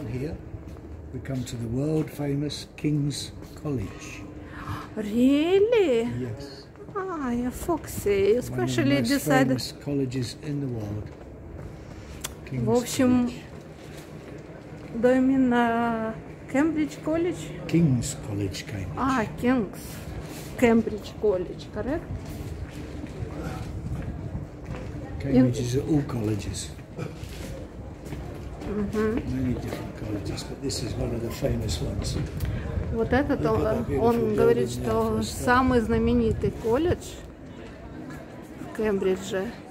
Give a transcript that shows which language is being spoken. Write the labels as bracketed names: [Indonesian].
[English] Down here we come to the world famous King's College. Really? Yes. Ah, you're foxy. You specially decided. Famous colleges in the world. [Russian] King's в общем, да именно Cambridge College. [English] King's College, Cambridge. Ah, King's Cambridge College, correct? Cambridge is all colleges. Mm-hmm. Many different colleges, but this is one of the famous ones. [Russian] Вот этот, он говорит, что самый знаменитый колледж в Кембридже.